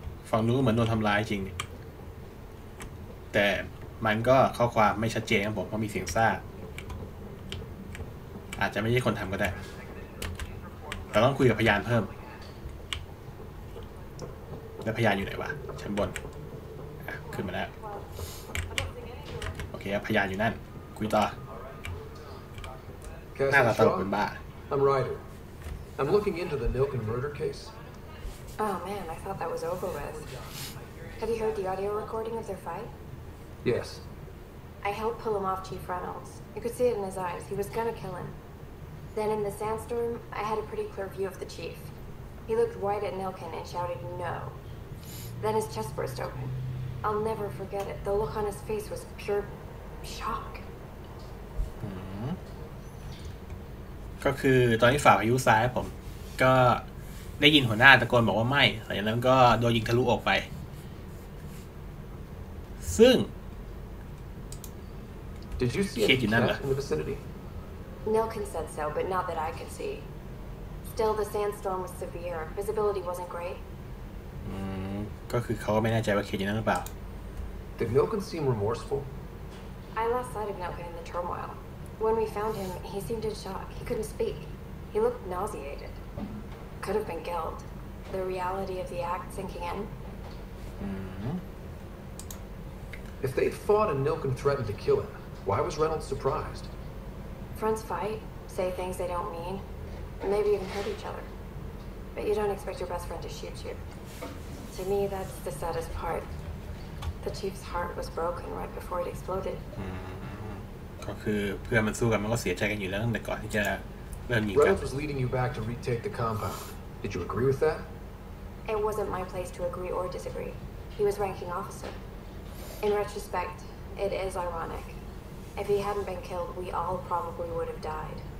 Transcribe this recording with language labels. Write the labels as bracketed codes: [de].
[th] ฟังดูเหมือนโดนทำร้ายจริงแต่มันก็ข้อความไม่ชัดเจนครับผมเพราะมีเสียงซ่าอาจจะไม่ใช่คนทำก็ได้แต่ต้องคุยกับพยานเพิ่มและพยานอยู่ไหนวะชั้นบนขึ้นมาแล้วโอเคพยานอยู่นั่นคุยต่อหน้าตาตลกเป็นบ้า [en] I'm Ryder. I'm looking into the Milken murder case. Oh man, I thought that was over with. Have you heard the audio recording of their fight? Yes. I helped pull him off Chief Reynolds. You could see it in his eyes. He was gonna kill him. Then in the sandstorm, I had a pretty clear view of the chief. He looked right at Milken and shouted, no. Then his chest burst open. I'll never forget it. The look on his face was pure shock. [th] ก็คือตอนที่ฝ่าพายุซ้ายผมก็ได้ยินหัวหน้าตะโกนบอกว่าไม่หลังจากนั้นก็โดนยิงทะลุออกไปซึ่งเคสอยู่นั่นเหร [en] อ Milken said so but not that I could see still the sandstorm was severe visibility wasn't great [th] ก็คือเขาไม่แน่ใจว่าเคสอยู่นั่นหรือเปล่า [en] Did Milken seem remorseful I lost sight of Milken in the turmoil when we found him he seemed in shock he couldn't speak he looked nauseatedcould have been guilt the reality of the act sinking in if they fought and Milken threatened to kill him why was Reynolds surprised friends fight say things they don't mean maybe even hurt each other but you don't expect your best friend to shoot you to me that's the saddest part the chief's heart was broken right before it exploded [th] ก็คือเพื่อนมันสู้กันมันก็เสียใจกันอยู่แล้วตั้งแต่ก่อนที่จะ [en] Reynolds was leading you back to retake the compound. Did you agree with that? It wasn't my place to agree or disagree. He was ranking officer. In retrospect, it is ironic. If he hadn't been killed, we all probably would have died.